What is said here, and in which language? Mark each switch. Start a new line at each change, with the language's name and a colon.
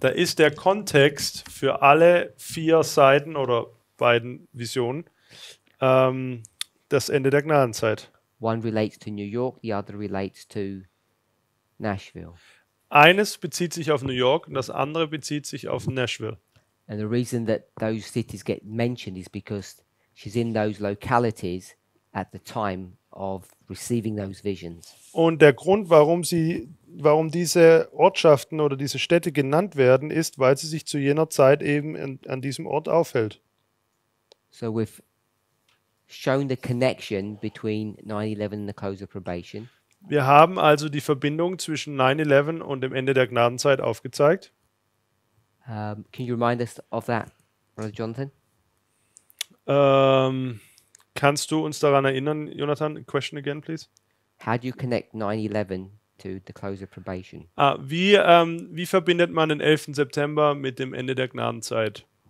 German: Da ist der Kontext für alle vier Seiten oder beiden Visionen das Ende der Gnadenzeit.
English: One relates to New York, the other relates to Nashville.
German: Eines bezieht sich auf New York und das andere bezieht sich auf Nashville.
English: And the reason that those cities get mentioned is because she's in those localities at the time of receiving those visions.
German: Und der Grund, warum diese Ortschaften oder diese Städte genannt werden, ist, weil sie sich zu jener Zeit eben an diesem Ort aufhält.
English: So we've shown the connection between 9/11 and the close of probation.
German: Wir haben also die Verbindung zwischen 9/11 und dem Ende der Gnadenzeit aufgezeigt.
English: Can you remind us of that, Brother Jonathan?
German: Kannst du uns daran erinnern, Jonathan?
English: Question again, please. How do you connect 9/11 to the close of probation?
German: Wie verbindet man den 11. September mit dem Ende der Gnadenzeit?